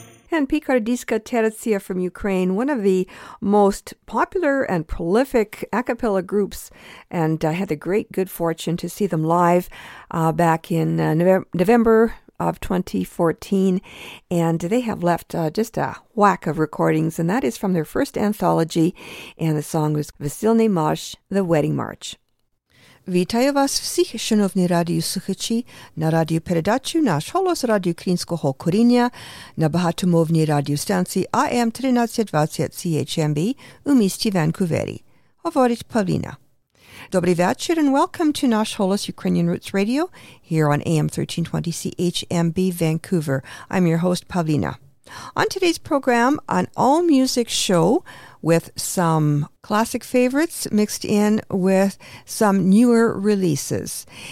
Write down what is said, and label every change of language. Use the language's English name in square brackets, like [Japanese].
[English] And Picardiska Terezia from Ukraine, one of the most popular and prolific a cappella groups, and I had the great good fortune to see them live back in November of 2014, and they have left just a whack of recordings, and that is from their first anthology, and the song was Vesilny Marsh, The Wedding March. [Ukrainian] Вітаю вас всіх, шановні радіослухачі, на радіопередачі «Наш голос» радіо Українського коріння на багатомовній радіостанції АМ 1320 CHMB у місті Ванкувері. Говорить Павліна. Добрий вечір [English] and welcome to «Наш голос» Ukrainian Roots Radio here on AM 1320 CHMB Vancouver. I'm your host, Павліна. On today's program, an all-music show with some classic favorites mixed in with some newer releases.